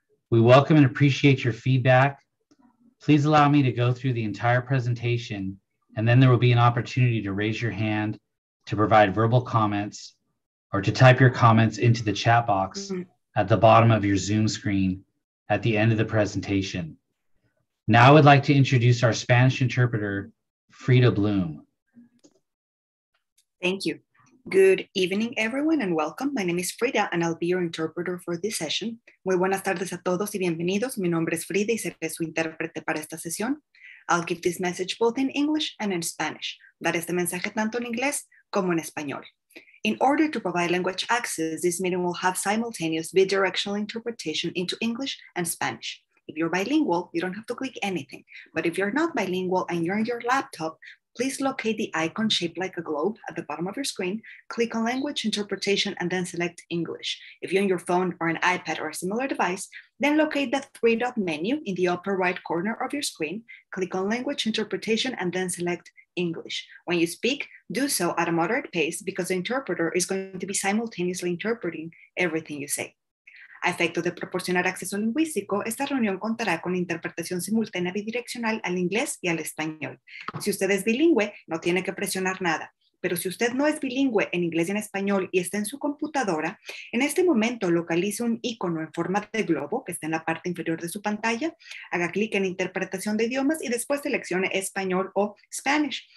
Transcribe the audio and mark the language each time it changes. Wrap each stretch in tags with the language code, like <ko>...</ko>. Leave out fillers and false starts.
<en>We welcome and appreciate your feedback. Please allow me to go through the entire presentation, and then there will be an opportunity to raise your hand to provide verbal comments or to type your comments into the chat box at the bottom of your Zoom screen at the end of the presentation. Now I would like to introduce our Spanish interpreter, Frida Bloom. Thank you. Good evening, everyone, and welcome. My name is Frida, and I'll be your interpreter for this session.</en> <es>Muy buenas tardes a todos y bienvenidos. Mi nombre es Frida y seré su intérprete para esta sesión.</es> <en>I'll give this message both in English and in Spanish.</en> <es>Daré este mensaje tanto en inglés como en español.</es> <en>In order to provide language access, this meeting will have simultaneous bidirectional interpretation into English and Spanish. If you're bilingual, you don't have to click anything. But if you're not bilingual and you're on your laptop, please locate the icon shaped like a globe at the bottom of your screen, click on language interpretation, and then select English. If you're on your phone or an iPad or a similar device, then locate the three-dot menu in the upper right corner of your screen, click on language interpretation, and then select English. When you speak, do so at a moderate pace because the interpreter is going to be simultaneously interpreting everything you say.</en> <es>A efecto de proporcionar acceso lingüístico, esta reunión contará con interpretación simultánea bidireccional al inglés y al español. Si usted es bilingüe, no tiene que presionar nada. Pero si usted no es bilingüe en inglés y en español y está en su computadora, en este momento localice un icono en forma de globo que está en la parte inferior de su pantalla, haga clic en interpretación de idiomas y después seleccione español o Spanish.</es>